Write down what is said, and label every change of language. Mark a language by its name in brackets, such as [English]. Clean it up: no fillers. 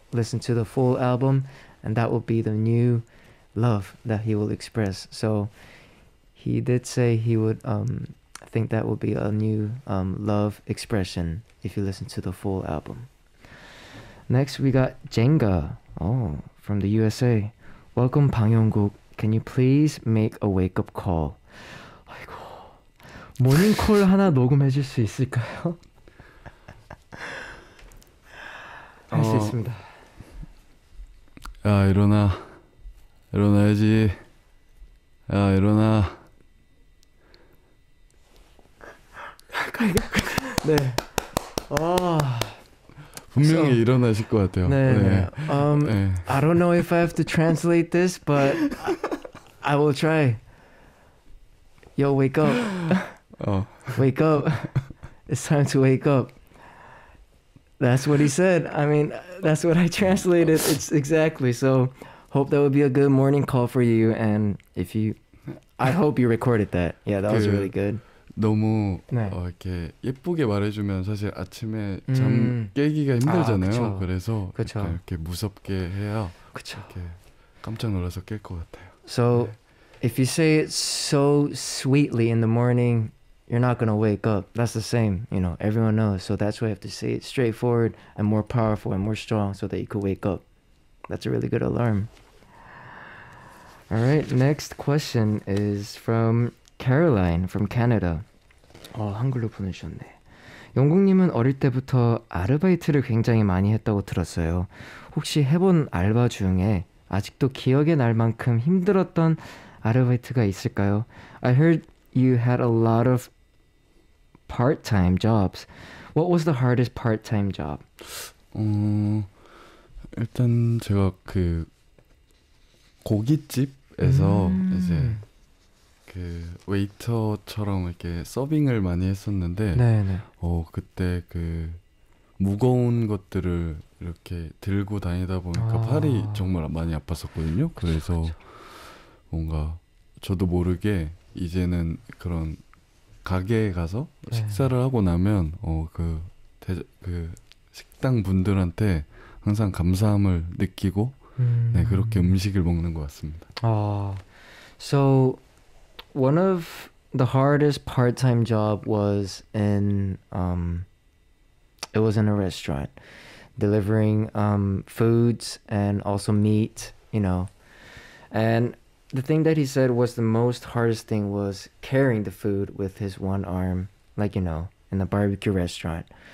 [English] Listen to the full album, and that will be the new love that he will express. So he did say he would think that will be a new love expression if you listen to the full album. Next, we got Jenga. Oh, from the USA. Welcome, Bang Yong-guk. Can you please make a wake-up call? [Korean] 아이고, 모닝콜 하나 녹음해 줄 수 있을까요? 할 수 있습니다. 야, 일어나. 일어나야지. 야, 일어나. 네. 아. 분명히 so, 일어나실 것 같아요. 네. 네. 네. [English] I don't know if I have to translate this, but I will try. Yo, wake up. Wake up. It's time to wake up. That's what he said. I mean, that's what I translated. It's exactly. So, hope that would be a good morning call for you. And if you, I hope you recorded that. Yeah, that was really good. [Korean] 너무 네. 이렇게 예쁘게 말해주면 사실 아침에 잠 깨기가 힘들잖아요. 아, 그래서 이렇게 무섭게 해야 이렇게 깜짝 놀라서 깰 것 같아요. So 네. [English] if you say it so sweetly in the morning, you're not gonna wake up. That's the same, you know. Everyone knows. So that's why you have to say it straightforward and more powerful and more strong so that you could wake up. That's a really good alarm. Alright, next question is from Caroline from Canada. [Korean] 한글로 보내주셨네. 영국님은 어릴 때부터 아르바이트를 굉장히 많이 했다고 들었어요. 혹시 해본 알바 중에 아직도 기억에 날 만큼 힘들었던 아르바이트가 있을까요? [English] I heard you had a lot of part-time jobs. What was the hardest part-time job? [Korean] 일단 제가 그 고깃집에서 이제 그 웨이터처럼 이렇게 서빙을 많이 했었는데 네네. 그때 그 무거운 것들을 이렇게 들고 다니다 보니까 팔이 정말 많이 아팠었거든요. 그래서 그쵸. 뭔가 저도 모르게 이제는 그런 가게에 가서 식사를 하고 나면 그 식당 분들한테 항상 감사함을 느끼고 네, 그렇게 음식을 먹는 것 같습니다. [English] So one of the hardest part-time job was in, it was in a restaurant, delivering foods and also meat, you know. And the thing that he said was the most hardest thing was carrying the food with his one arm, like, you know, in the barbecue restaurant.